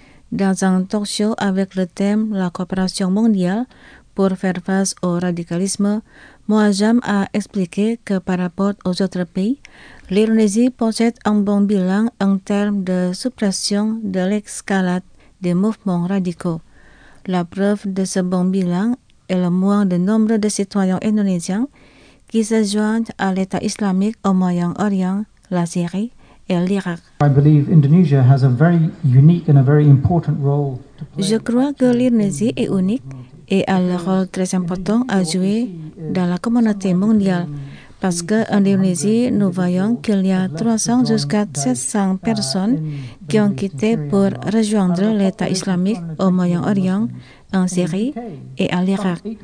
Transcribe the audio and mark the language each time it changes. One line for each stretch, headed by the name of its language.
French: Dans un talk show avec le thème « La coopération mondiale pour faire face au radicalisme », Muazzam a expliqué que par rapport aux autres pays, l'Indonésie possède un bon bilan en termes de suppression de l'escalade des mouvements radicaux. La preuve de ce bon bilan est le moins de nombre de citoyens indonésiens qui se joignent à l'État islamique au Moyen-Orient, la Syrie,
English: I believe Indonesia has a very unique and a very important role to play.
French: Je crois que l'Indonésie est unique et a un rôle très important à jouer dans la communauté mondiale. parce qu'Indonésie, nous voyons qu'il y a 300 jusqu'à 700 personnes qui ont quitté pour rejoindre l'État islamique au Moyen-Orient, en Syrie et à l'Irak.